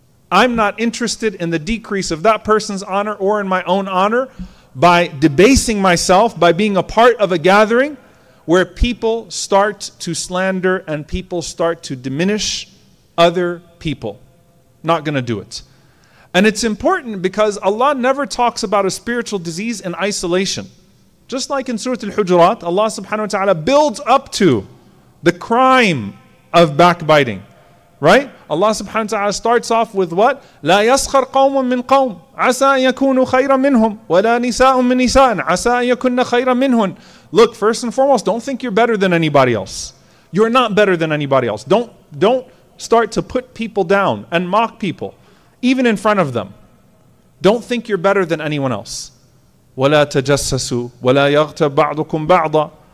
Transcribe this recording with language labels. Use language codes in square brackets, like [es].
[en] I'm not interested in the decrease of that person's honor or in my own honor by debasing myself, by being a part of a gathering where people start to slander and people start to diminish other people. not going to do it. And it's important because Allah never talks about a spiritual disease in isolation. Just like in Surah Al-Hujurat, Allah subhanahu wa ta'ala builds up to the crime of backbiting. Right? Allah subhanahu wa ta'ala starts off with what? [ar] لا يسخر قوم من قوم عسى أن يكونوا خيرا منهم ولا نساء من نساء عسى أن يكون خيرا منهم. [en] Look, first and foremost, don't think you're better than anybody else. You're not better than anybody else. Don't start to put people down and mock people, even in front of them. Don't think you're better than anyone else. [ar] وَلَا تَجَسَّسُوا وَلَا يَغْتَبْ بَعْضُكُمْ بَعْضًا.